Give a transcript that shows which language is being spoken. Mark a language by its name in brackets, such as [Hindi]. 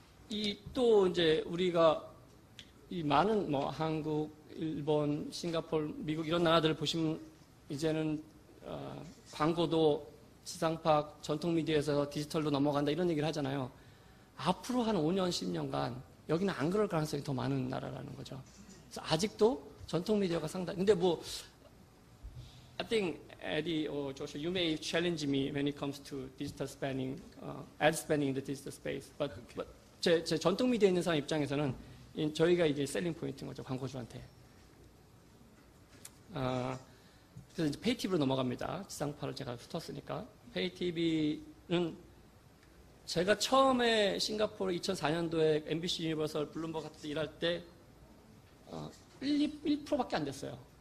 [Korean] 이 또 이제 우리가 이 많은 뭐 한국, 일본, 싱가포르, 미국 이런 나라들을 보시면 이제는 광고도 지상파 전통 미디어에서 디지털로 넘어간다 이런 얘기를 하잖아요. 앞으로 한 5년, 10년간 여기는 안 그럴 가능성이 더 많은 나라라는 거죠. 그래서 아직도 전통 미디어가 상당히, 근데 뭐, [English] I think Eddie or Joshua, you may challenge me when it comes to digital spending, ad spending in the digital space. But, okay. [Korean] but 제 전통 미디어에 있는 사람 입장에서는 저희가 이제 셀링 포인트인 거죠, 광고주한테. 그래서 이제 페이 TV로 넘어갑니다. 지상파를 제가 훑었으니까. 페이 TV는 제가 처음에 싱가포르 2004년도에 MBC 유니버설 블룸버그 같은 데 일할 때 1%밖에 안 됐어요.